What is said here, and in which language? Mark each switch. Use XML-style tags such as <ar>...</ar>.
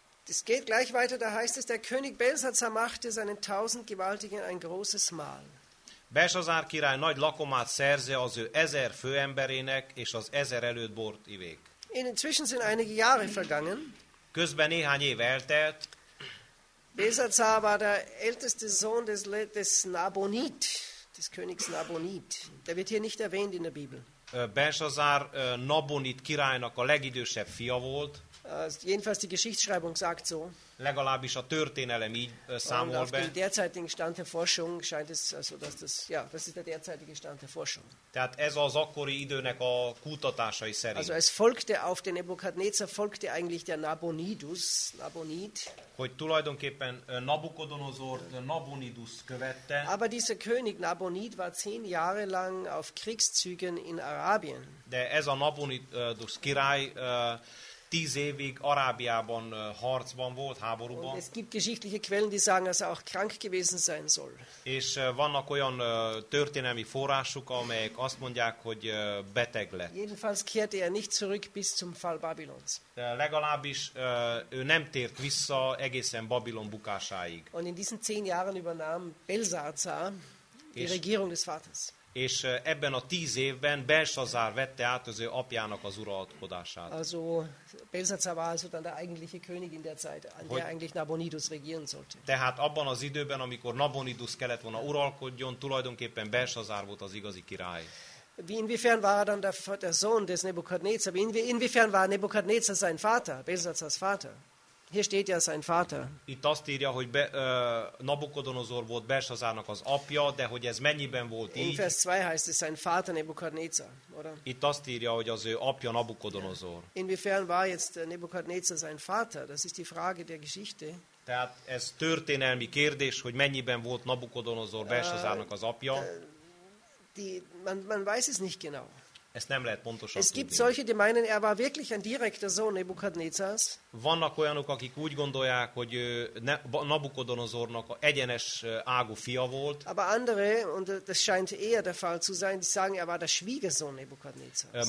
<de>Es geht gleich weiter, da heißt es, der König Belsatzar machte seinen 1000 Gewaltigen ein großes Mahl.</de> <hu>Belsazár király nagy lakomát szerze az ő 1000 főemberének, és az 1000 előtt bort ivék.</hu> <de>Inzwischen sind einige Jahre vergangen.</de> <hu>Közben néhány év eltelt.</hu> <de>Belsatzar war der älteste Sohn des Nabonid, des Königs Nabonid. Der wird hier nicht erwähnt in der Bibel.</de> <hu>Belsazár Nabonid királynak a legidősebb fia volt.</hu> <de>Jedenfalls die Geschichtsschreibung sagt so.</de> <hu>Legalábbis a történelem így számol be.</hu> <de>Und auf den derzeitigen Stand der Forschung scheint es, also dass das, ja, das ist der derzeitige Stand der Forschung.</de> <hu>Tehát ez az akkori időnek a kutatásai szerint.</hu> <de>Also es folgte auf den Nebukadnezar, folgte eigentlich der Nabonidus, Nabonid.</de> <hu>Hogy tulajdonképpen Nabukodonozort Nabonidus követte.</hu> <de>Aber dieser König Nabonid war 10 Jahre lang auf Kriegszügen in Arabien.</de> <hu>De ez a Nabonidus király 10 évig Arábiában harcban volt, háborúban.</hu> <de>Es gibt geschichtliche Quellen, die sagen, dass er auch krank gewesen sein soll.</de> <hu>És vannak olyan történelmi források, amelyek azt mondják, hogy beteg lett.</hu> <de>Jedenfalls kehrte er nicht zurück bis zum Fall Babylons.</de> <hu>Legalábbis ő nem tért vissza egészen Babilon bukásáig.</hu> <de>Und in diesen 10 Jahren übernahm Belsatzar die Regierung des Vaters.</de> <hu>és ebben a 10 évben Belsazár vette át az ő apjának az uralkodását.</hu> <de>Also Belsazar war also dann der eigentliche König in der Zeit, an der eigentlich Nabonidus regieren sollte.</de> <hu>Tehát abban az időben, amikor Nabonidus kellett volna uralkodjon, tulajdonképpen Belsazár volt az igazi király.</hu> <de>Wie inwiefern war dann der Sohn des Nebukadnezar? Inwiefern war Nebukadnezar sein Vater, Belsazars Vater? Hier steht ja sein Vater.</de> <hu>Itt azt írja, hogy Nabukodonozor volt Belsazárnak az apja, de hogy ez mennyiben volt így?</hu> <de>In Vers 2 heißt es sein Vater Nebukadnezar, oder?</de> <hu>Itt azt írja, hogy az ő apja Nabukodonozor.</hu> <de>Ja. Inwiefern war jetzt Nebukadnezar sein Vater? Das ist die Frage der Geschichte.</de> <hu>Tehát ez történelmi kérdés, hogy mennyiben volt Nabukodonozor Belsazárnak az apja?</hu> <de>Man weiß es nicht genau.</de> <hu>Es nem lehet pontosan.</hu> <de>Es gibt solche, die meinen, er war wirklich ein direkter Sohn Nebukadnezars.</de> <hu>Vannak olyanok, akik úgy gondolják, hogy Nabukodonozornak egyenes ágú fia volt.</hu> <de>Aber andere, und das scheint eher der Fall zu sein, die sagen, er war der Schwiegersohn Nebukadnezars.</de>